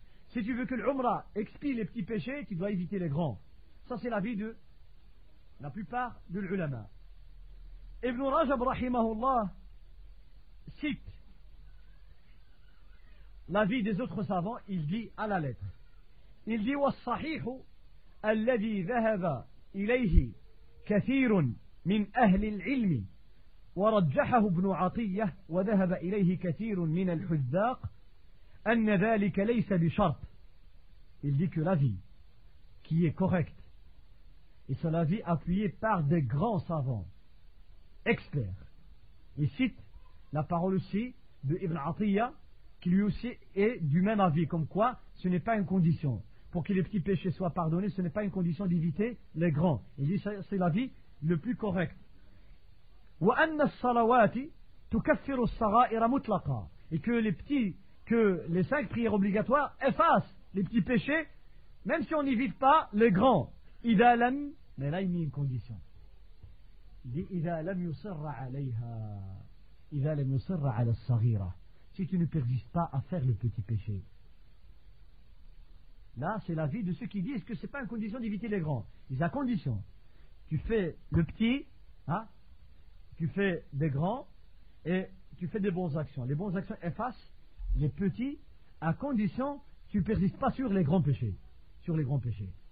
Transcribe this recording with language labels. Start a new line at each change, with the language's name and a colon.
French: Si tu veux que l'Umrah expie les petits péchés, tu dois éviter les grands. Ça, c'est l'avis de la plupart de l'ulama. Ibn Rajab, rahimahullah, cite l'avis des autres savants, il dit à la lettre. Il dit,
Arabic: « وَالصَّحِيحُ الَّذِي ذَهَبَ إِلَيْهِ كَثِيرٌ مِنْ أَهْلِ الْعِلْمِ ورجحه ابن عطية وذهب إليه كثير من الحذاق أن ذلك ليس بشرط.
French: Il dit que l'avis qui est correct et son avis appuyé par des grands savants experts. Il cite la parole aussi de Ibn Atiyya qui lui aussi est du même avis, comme quoi ce n'est pas une condition pour que les petits péchés soient pardonnés, ce n'est pas une condition d'éviter les grands. Il dit que c'est l'avis le plus correct.
Arabic: وأن الصلوات تكفر الصغائر مطلقا.
French: Et que les cinq prières obligatoires effacent les petits péchés, même si on n'évite pas les grands.
Arabic: إذا لم,
French: mais là il met une condition.
Arabic: إذا لم يصر عليها, إذا لم يصر على الصغيرة.
French: Si tu ne persistes pas à faire les petits péchés. Là, c'est l'avis de ceux qui disent que c'est pas une condition d'éviter les grands. Ils ont condition. Tu fais le petit, hein? Tu fais des grands et tu fais des bonnes actions. Les bonnes actions effacent les petits à condition que tu ne persistes pas sur les grands péchés. Sur les grands péchés.